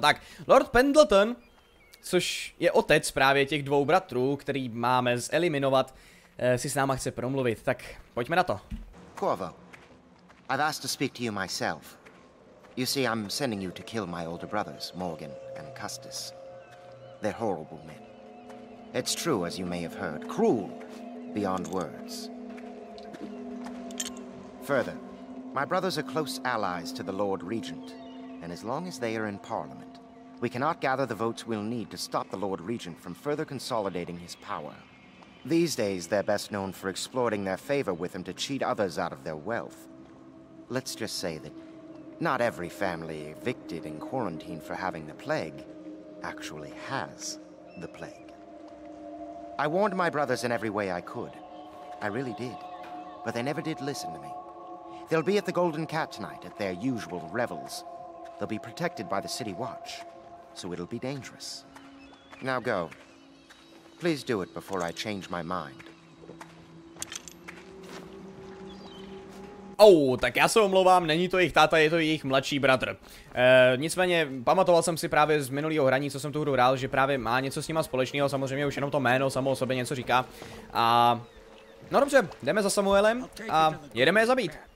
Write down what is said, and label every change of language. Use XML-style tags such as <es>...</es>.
<cs>Tak, Lord Pendleton, což je otec právě těch dvou bratrů, který máme zeliminovat, si s náma chce promluvit, tak pojďme na to.</cs> <en>Corvo, I've asked to speak to you myself. You see, I'm sending you to kill my older brothers, Morgan and Custis. They're horrible men. It's true, as you may have heard, cruel beyond words. Further, my brothers are close allies to the Lord Regent, and as long as they are in Parliament, we cannot gather the votes we'll need to stop the Lord Regent from further consolidating his power. These days, they're best known for exploiting their favor with him to cheat others out of their wealth. Let's just say that not every family evicted in quarantine for having the plague actually has the plague. I warned my brothers in every way I could. I really did. But they never did listen to me. They'll be at the Golden Cat tonight at their usual revels. They'll be protected by the city watch, so it'll be dangerous. Now go. Please do it before I change my mind.</en> <cs>Oh, tak já se omlouvám, není to jejich táta, je to jejich mladší bratr. Nicméně, pamatoval jsem si právě z minulého hraní, co jsem tu hru hrál, že právě má něco s nima společného, samozřejmě už jenom to jméno samo o sobě něco říká. A no dobře, jdeme za Samuelem a jedeme je zabít.</cs>